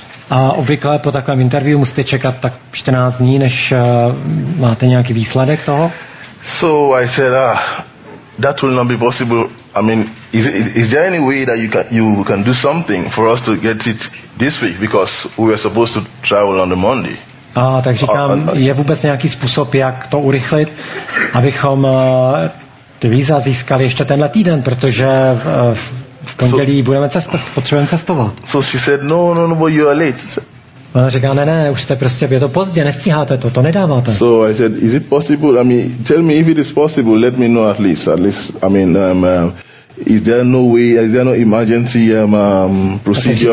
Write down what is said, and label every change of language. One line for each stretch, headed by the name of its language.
Czech: A obvykle po takovém interview musíte čekat tak 14 dní, než máte nějaký výsledek toho.
English: So I said, that will not be possible. I mean, is there any way that you can do something for us to get it this week? Because we were supposed to travel on the Monday.
Czech: A tak říkám, je vůbec nějaký způsob, jak to urychlit, abychom ty víza získali ještě tenhle týden, protože v pondělí potřebujeme cestovat.
English: So she said, no, but you are late.
Czech: Ona říká, ne, už jste prostě, je to pozdě, nestíháte to nedáváte.
English: So I said, is it possible? I mean, tell me if it is possible, let me know at least. I mean, is there no way, is there no emergency procedure